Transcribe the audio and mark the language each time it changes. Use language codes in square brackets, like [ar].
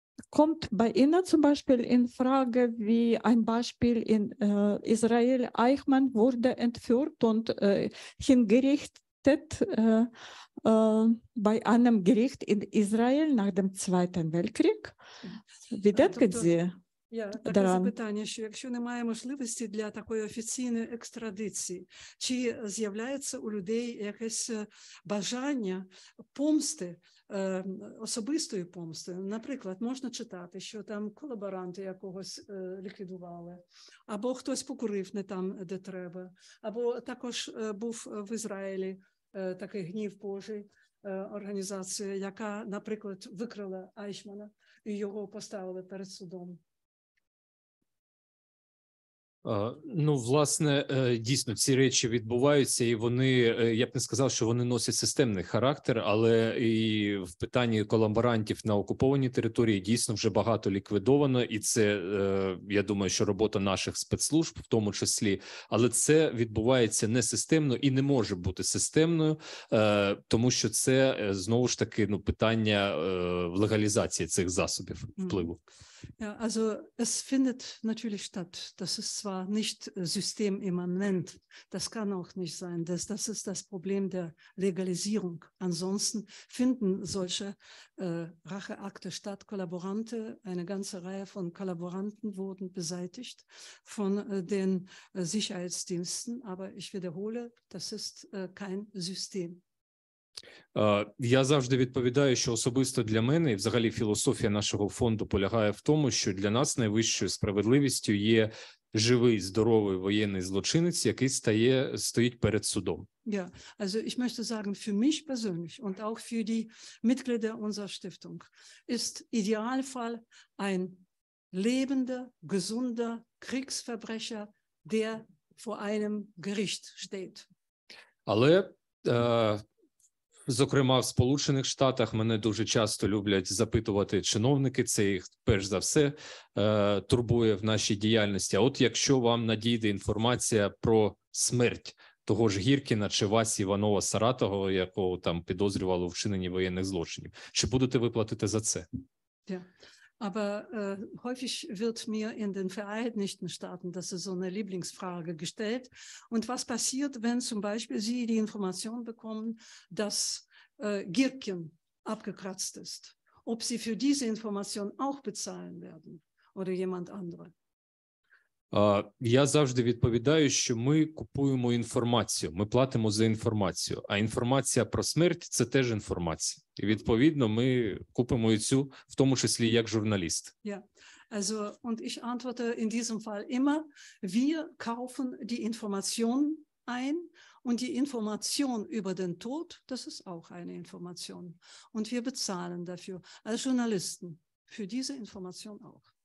[de] Kommt bei Ihnen zum Beispiel in Frage, wie ein Beispiel in Israel, Eichmann wurde entführt und hingerichtet bei einem Gericht in Israel nach dem Zweiten Weltkrieg. Wie denken Sie daran? [uk] Таке запитання, що якщо немає можливості для такої офіційної екстрадиції, чи з'являється у людей якесь бажання помсти, особистої помсти. Наприклад, можна читати, що там колаборанти якогось ліквідували, або хтось покурив не там, де треба, або також був в Ізраїлі такий гнів Божий, організація, яка, наприклад, викрала Айшмана і його поставили перед судом. Ну, власне, дійсно, ці речі відбуваються, і вони, я б не сказав, що вони носять системний характер, але і в питанні колаборантів на окупованій території дійсно вже багато ліквідовано, і це, я думаю, що робота наших спецслужб в тому числі, але це відбувається не системно і не може бути системною, тому що це, знову ж таки, ну, питання легалізації цих засобів впливу. [de] Ja, also es findet natürlich statt. Das ist zwar nicht systemimmanent, das kann auch nicht sein. Das ist das Problem der Legalisierung. Ansonsten finden solche Racheakte statt. Kollaboranten, eine ganze Reihe von Kollaboranten wurden beseitigt von den Sicherheitsdiensten. Aber ich wiederhole, das ist kein System. [uk] Я завжди відповідаю, що особисто для мене і взагалі філософія нашого фонду полягає в тому, що для нас найвищою справедливістю є живий, здоровий воєнний злочинець, який стоїть перед судом. [de] Ja, also ich möchte sagen, für mich persönlich und auch für die Mitglieder unserer Stiftung ist Idealfall ein lebender, gesunder Kriegsverbrecher, der vor einem Gericht steht. [uk] Але зокрема, в Сполучених Штатах мене дуже часто люблять запитувати чиновники, це їх перш за все турбує в нашій діяльності. А от якщо вам надійде інформація про смерть того ж Гіркіна чи Васі Іванова Саратова, якого там підозрювали у вчиненні воєнних злочинів, чи будете ви платити за це? [en] Yeah. [de] Aber häufig wird mir in den Vereinigten Staaten, das ist so eine Lieblingsfrage, gestellt. Und was passiert, wenn zum Beispiel Sie die Information bekommen, dass Gierkin abgekratzt ist? Ob Sie für diese Information auch bezahlen werden oder jemand andere? [uk] Я завжди відповідаю, що ми купуємо інформацію, ми платимо за інформацію, а інформація про смерть – це теж інформація. І відповідно, ми купимо і цю, в тому числі, як журналіст. [de] Ja, also, und ich antworte in diesem Fall immer, wir kaufen die Information ein und die Information über den Tod, das ist auch eine Information. Und wir bezahlen dafür, als Journalisten, für diese Information auch.